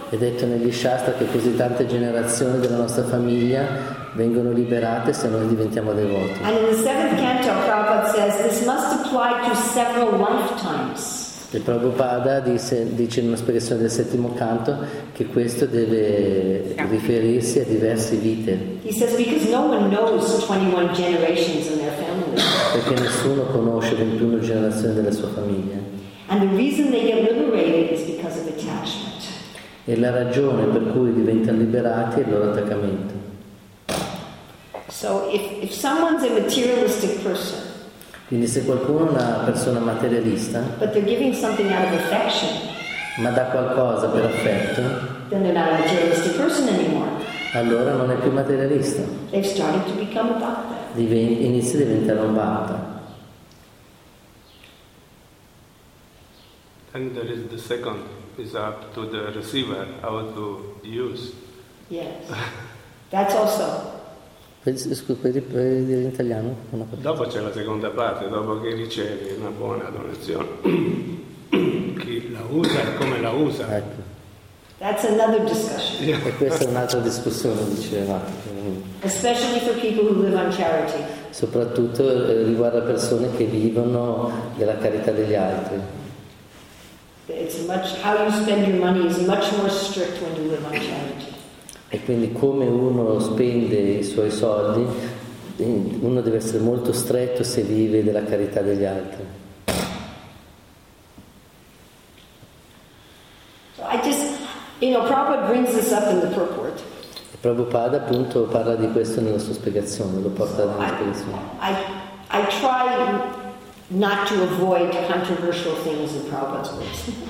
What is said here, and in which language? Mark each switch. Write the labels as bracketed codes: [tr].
[it] È detto negli Shastra che così tante generazioni della nostra famiglia vengono liberate se noi diventiamo devoti. [en] And in the seventh canto, Prabhupada says this must apply to several lifetimes. [it] E Prabhupada dice in una spiegazione del settimo canto che questo deve riferirsi a diverse vite. [en] He says because no one knows 21 generations in their family. [it] Perché nessuno conosce 21 generazioni della sua famiglia. [en] And the reason they get liberated is because of attachment. [it] E la ragione per cui diventano liberati è il loro attaccamento. [en] So if someone's a materialistic person. [it] Quindi se qualcuno è una persona materialista, [en] but they're giving something out of affection, [it] ma dà qualcosa per affetto, [en] then they're not a materialistic person anymore. [it] Allora non è più materialista. [en] They've started to become a bhakta. [it] Inizia a diventare un bhakta. [en] And there is the second, is up to the receiver how to use. Yes, that's also. [it] In italiano, non ho capito. Dopo c'è la seconda parte, dopo che ricevi una buona donazione, chi la usa e come la usa. Ecco. [en] That's another discussion. [it] E questa è un'altra discussione, diceva. [en] Especially for people who live on charity. [it] Soprattutto riguarda persone che vivono della carità degli altri. [en] It's much how you spend your money is much more strict when you live on charity. [it] E quindi come uno spende i suoi soldi, uno deve essere molto stretto se vive della carità degli altri. [en] So I just, you know, Prabhupada brings this up in the purport. [it] E Prabhupada appunto parla di questo nella sua spiegazione, lo porta so nella spiegazione. [en] I try not to avoid controversial things in Prabhupada's words.